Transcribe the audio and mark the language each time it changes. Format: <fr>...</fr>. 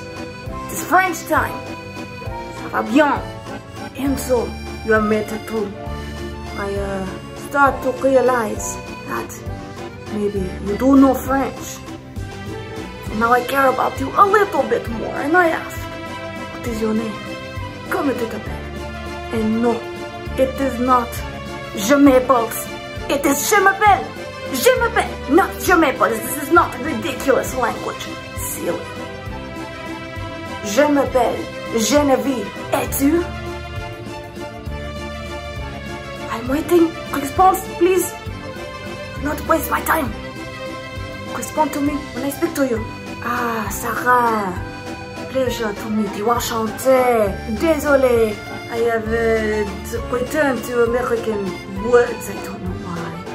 <en>It is French time.</en> <fr>Ça va bien.</fr> <en>And so, you have met a tool. I start to realize that maybe you do know French. So now I care about you a little bit more and I ask, what is your name? Come to the bed. And no, it is not</en> <fr>Je m'appelle.</fr> <en>It is Je m'appelle.</en> <fr>Je m'appelle,</fr> <en>not je m'appelle, this is not a ridiculous language. Silly.</en> <fr>Je m'appelle Genevieve, et tu?</fr> <en>I'm waiting, response, please. Do not waste my time. Respond to me when I speak to you. Ah, Sarah, pleasure to meet you, enchanté.</en> <fr>Désolé,</fr> <en>I have returned to American words, I don't know why.</en>